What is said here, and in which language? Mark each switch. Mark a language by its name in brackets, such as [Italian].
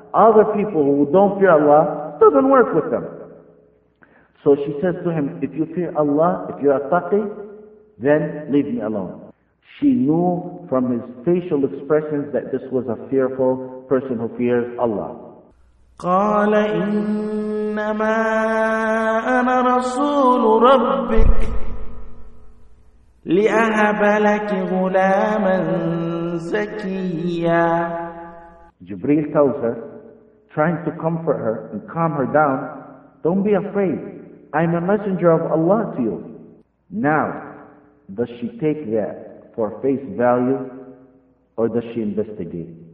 [English] Other people who don't fear Allah, doesn't work with them. So she says to him, if you fear Allah, if you're a taqi, then leave me alone. She knew from his facial expressions that this was a fearful person who fears Allah. [Arabic] قال إنما أنا رسول ربك لأهب لك غلاما زكيا. [English] Jibreel tells her, trying to comfort her and calm her down, don't be afraid. I'm a messenger of Allah to you. Now, does she take that for face value, or does she investigate?